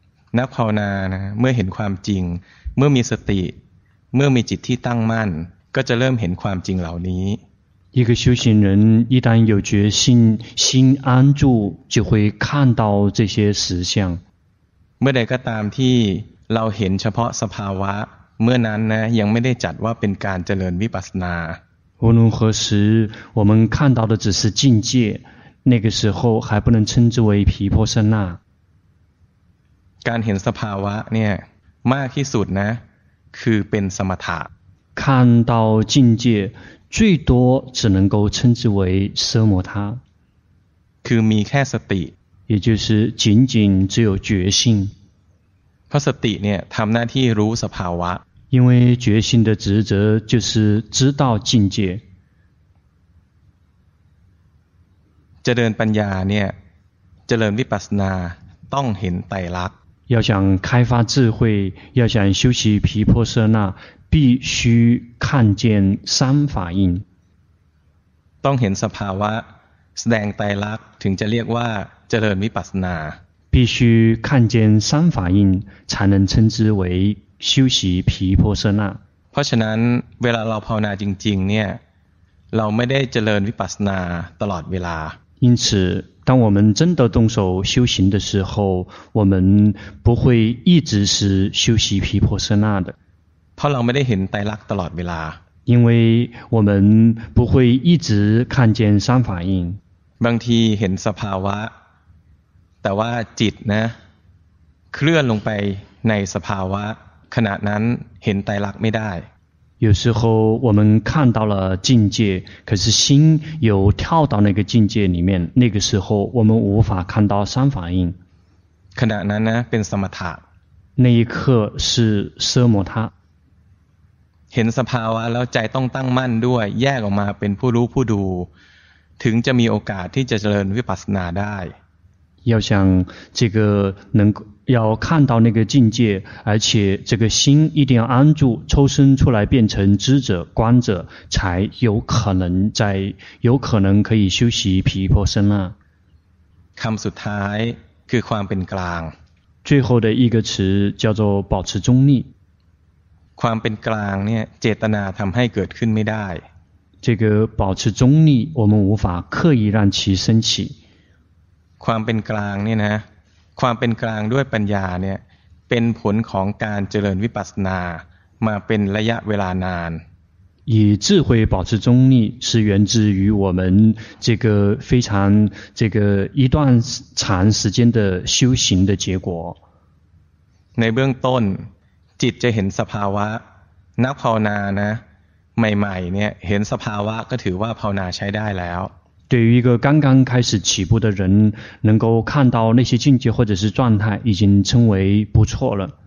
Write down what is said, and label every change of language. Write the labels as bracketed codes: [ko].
[zh] 那ภาวนา呢？ [th] เมื่อเห็นความจริง，เมื่อมีสติ，เมื่อมีจิตที่ตั้งมั่น，ก็จะเริ่มเห็นความจริงเหล่านี้。 [zh] 一个修行人一旦有决心，心安住，就会看到这些实相。 [th] เมื่อใดก็ตามที่เราเห็นเฉพาะสภาวะเมื่อนั้นนะยังไม่ได้จัดว่าเป็นการเจริญวิปัสสนา [zh] 无论何时我们看到的只是境界那个时候还不能称之为毗婆舍那 [th] การเห็นสภาวะเนี่ยมากที่สุดนะคือเป็นสมถะ [zh] 看到境界最多只能够称之为奢摩他 [th] คือมีแค่สติ [zh] 也就是仅仅只有觉性 [th] เพราะสติเนี่ยทำหน้าที่รู้สภาวะ [zh] 因为觉心的职责就是知道境界 [th] เจริญปัญญาเนี่ยเจริญวิปัสสนาต้องเห็นไตรลักษณ์ [zh] 要想开发智慧要想修习毗婆舍那必须看见三法印 [th] ต้องเห็นสภาวะแสดงไตรลักษณ์ถึงจะเรียกว่าเจริญวิปัสสนา [zh] 必须看见三法印才能称之为修习毗婆舍那 [th] เพราะฉะนั้นเวลาเราภาวนาจริงๆเนี่ยเราไม่ได้เจริญวิปัสสนาตลอดเวลา [zh] 因此当我们真的动手修行的时候我们不会一直是修习毗婆舍那的 [th] เพราะเราไม่ได้เห็นไตรลักษณ์ตลอดเวลา [zh] 因为我们不会一直看见三法印 [th] บางทีเห็นสภาวะแต่ว่าจิตนะเคลื่อนลงไปในสภาวะขณะนั้นเห็นไตรลักษณ์ไม่ได้ [zh] 有时候我们看到了境界可是心有跳到那个境界里面那个时候我们无法看到三法印 [th] ขณะนั้นนะเป็นสมถะ [zh] 那一刻是奢摩他 [th] เห็นสภาวะแล้วใจต้องตั้งมั่นด้วยแยกออกมาเป็นผู้รู้ผู้ดูถึงจะมีโอกาสที่จะเจริญวิปัสสนาได้ [zh] 要想这个能要看到那个境界而且这个心一定要安住抽身出来变成知者观者才有可能在有可能可以修习毗婆舍那 [th] คำสุดท้ายคือความเป็นกลาง [zh] 最后的一个词叫做保持中立 [th] ความเป็นกลางเนี่ยเจตนาทำให้เกิดขึ้นไม่ได้ [zh] 这个保持中立我们无法刻意让其升起 [th] ความเป็นกลางเนี่ยนะความเป็นกลางด้วยปัญญาเนี่ยเป็นผลของการเจริญวิปัสสนามาเป็นระยะเวลานาน [zh] 以智慧保持中立是源自于我们这个非常这个一段长时间的修行的结果 [th] ในเบื้องต้นจิตจะเห็นสภาวะนักภาวนานะใหม่ๆเนี่ยเห็นสภาวะก็ถือว่าภาวนาใช้ได้แล้ว [zh] 对于一个刚刚开始起步的人能够看到那些境界或者是状态已经称为不错了